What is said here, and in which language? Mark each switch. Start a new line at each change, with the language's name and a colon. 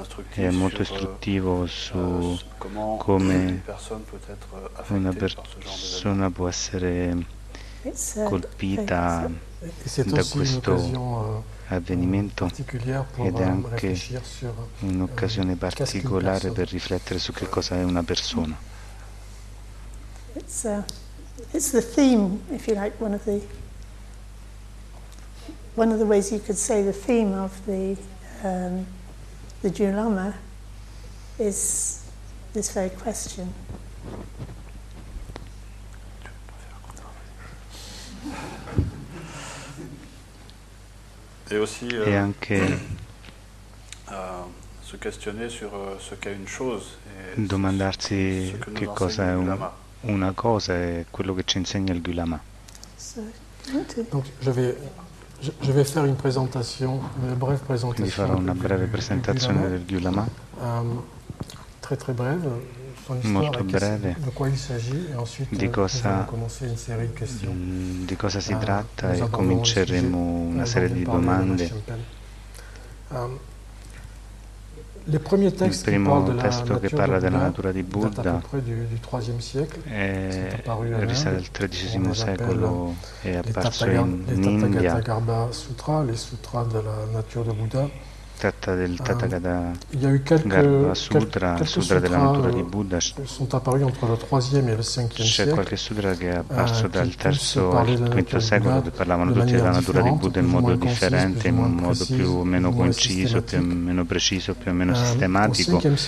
Italian: È molto istruttivo su come una persona può essere colpita da questo avvenimento ed è anche un'occasione particolare per riflettere su che cosa è una persona.
English: It's the theme, if you like, one of the ways you could say the theme of the Dalai Lama is this very question.
French: Et aussi se questionner sur ce qu'est une chose
Italian: et domandarsi che cosa è una cosa e quello che ci insegna il Gulama.
French: Donc je vais faire une présentation, une brève présentation.
Italian: Quindi farò una breve presentazione del Gulama.
French: Très très brève,
Italian: molto breve.
French: De quoi il s'agit et ensuite
Italian: di cosa,
French: une série de questions.
Italian: Di cosa si tratta e cominceremo una serie di domande.
French: Le premier texte
Italian: il primo
French: qui parle
Italian: testo che parla Buddha, della natura di Buddha
French: du troisième siècle,
Italian: è risale al XIII secolo e apparso in India.
French: Sutra, les sutras de la
Italian: natura di
French: Buddha.
Italian: Tratta del Tathagata Garbha Sutra, il sutra della natura di Buddha.
French: Sont apparus entre le troisième et le cinquième
Italian: c'è qualche sutra che è apparso dal terzo al quinto secolo dove parlavano tutti della natura di Buddha in modo differente, in un modo più o meno conciso, più o meno preciso, più o meno sistematico.